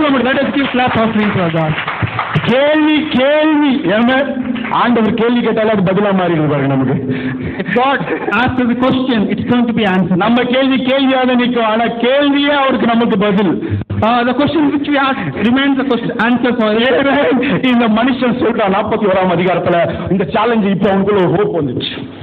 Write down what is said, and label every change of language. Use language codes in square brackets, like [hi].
[en] Let us give slap offering to God. [ta] கேள்வி என்ன ஆண்டவர் கேள்வி கேட்டாலே அது பதிலா மாறிடுவாரு நமக்கு [en] God asked the question, it's going to be answered. [ta] நம்ம கேள்வி கேள்வியாக நிற்கும் ஆனா கேள்வியே அவருக்கு நமக்கு பதில் [en] The question which we ask remains the question answer for you. [ta] இந்த மனுஷன் சொல்றான் 41 அதிகாரத்துல இந்த சேலஞ்ச் இப்ப அவனுக்குள்ள ஹோப் வந்துச்சு